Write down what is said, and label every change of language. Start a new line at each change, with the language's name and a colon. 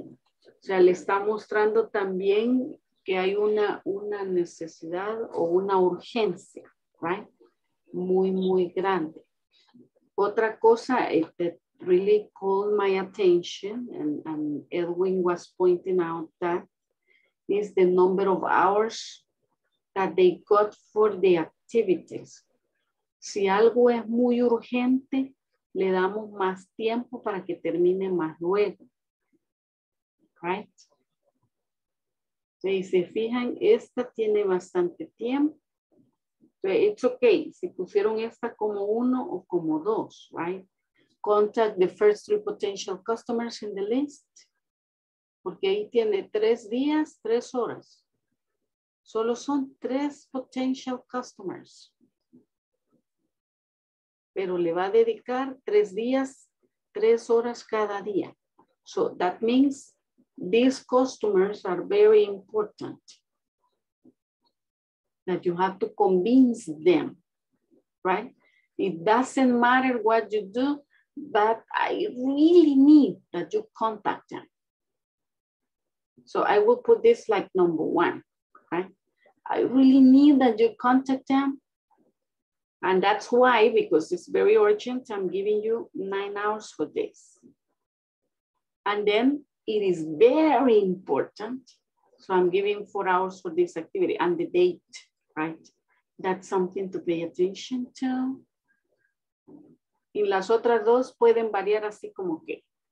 Spanish: O sea, le está mostrando también que hay una necesidad o una urgencia, right? Muy, muy grande. Otra cosa
English: that really called my attention, and Edwin was pointing out that, is the number of hours that they got for the activities.
Spanish: Si algo es muy urgente, le damos más tiempo para que termine más luego. Right. Si se fijan, esta tiene bastante tiempo.
English: It's okay.
Spanish: Si pusieron esta como uno o como dos, right?
English: Contact the first three potential customers in the list.
Spanish: Porque ahí tiene tres días, tres horas. Solo son tres
English: potential customers.
Spanish: Pero le va a dedicar tres días, tres horas cada día.
English: So that means these customers are very important. That you have to convince them, right? It doesn't matter what you do, but I really need that you contact them. So I will put this like number one, right? I really need that you contact them. And that's why, because it's very urgent, I'm giving you 9 hours for this. And then it is very important. So I'm giving 4 hours for this activity and the date, right? That's something to pay attention to.
Spanish: In las otras dos pueden variar así como que.